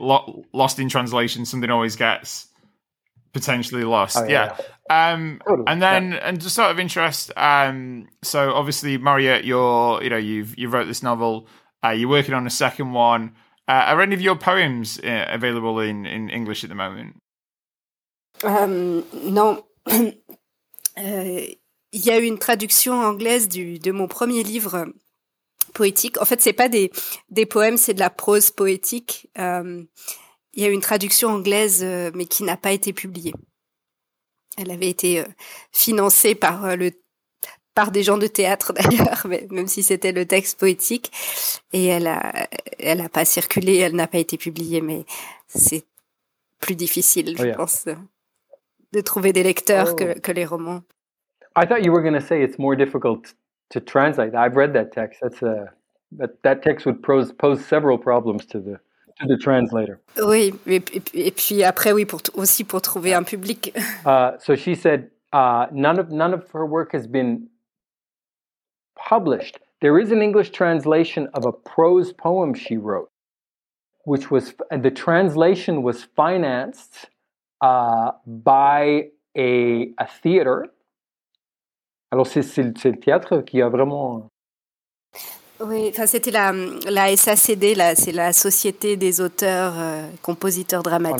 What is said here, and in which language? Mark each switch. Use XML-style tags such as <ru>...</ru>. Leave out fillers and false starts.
<en>Lost in translation, something always gets potentially lost. Oh, yeah. Yeah. Totally. And then, yeah. And just out of interest, so obviously, Mariette, you've wrote this novel. You're working on a second one. Are any of your poems available in English at the moment?</en> <fr>Non, il y a eu une traduction anglaise de mon premier livre poétique. En fait, c'est pas des poèmes, c'est de la prose poétique. Il y a eu une traduction anglaise, mais qui n'a pas été publiée. Elle avait été financée par le par des gens de théâtre d'ailleurs, mais même si c'était le texte poétique, et elle a pas circulé, elle n'a pas été publiée, mais c'est plus difficile, je pense, de trouver des lecteurs que les romans.</fr> <en>I thought you were going to say it's more difficult to translate. I've read that text. That text would pose several problems to the translator.</en> <fr>Oui, et puis après, oui, pour trouver un public.</fr> <en>So she said none of her work has been published. There is an English translation of a prose poem she wrote, which was, and the translation was financed by a theater.</en> <fr>Alors c'est le théâtre qui a vraiment. Oui, enfin c'était la SACD, c'est la Société des auteurs compositeurs dramatiques.</fr>